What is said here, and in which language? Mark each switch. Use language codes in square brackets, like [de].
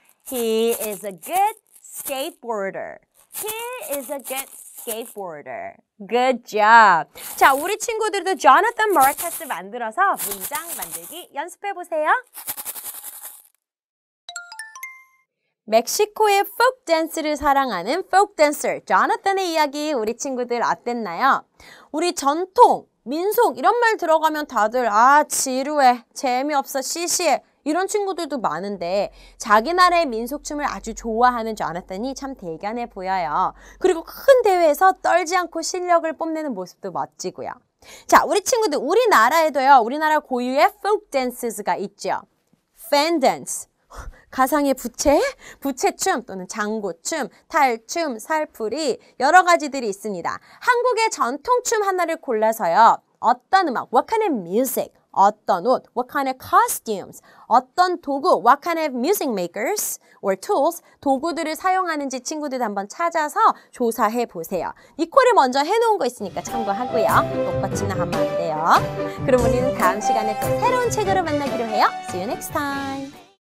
[en] He is a good skateboarder. He is a good skateboarder. Good job. [ko] 자, 우리 친구들도 Jonathan Marcus 만들어서 문장 만들기 연습해 보세요. 멕시코의 folk dance를 사랑하는 folk dancer Jonathan의 이야기 우리 친구들 어땠나요? 우리 전통, 민속 이런 말 들어가면 다들 아 지루해, 재미없어, 시시해 이런 친구들도 많은데 자기 나라의 민속춤을 아주 좋아하는 조나탄이 참 대견해 보여요. 그리고 큰 대회에서 떨지 않고 실력을 뽐내는 모습도 멋지고요. 자, 우리 친구들 우리나라에도요. 우리나라 고유의 folk dances가 있죠. Fan dance, 가상의 부채, 부채춤 또는 장고춤, 탈춤, 살풀이 여러 가지들이 있습니다. 한국의 전통춤 하나를 골라서요. 어떤 음악, [en] what kind of music, [ko] 어떤 옷, [en] what kind of costumes, [ko] 어떤 도구, [en] what kind of music makers or tools, [ko] 도구들을 사용하는지 친구들 한번 찾아서 조사해 보세요. 니콜이 먼저 해놓은 거 있으니까 참고하고요. 똑같이나 하면 안 돼요. 그럼 우리는 다음 시간에 또 새로운 책으로 만나기로 해요. [en] See you next time.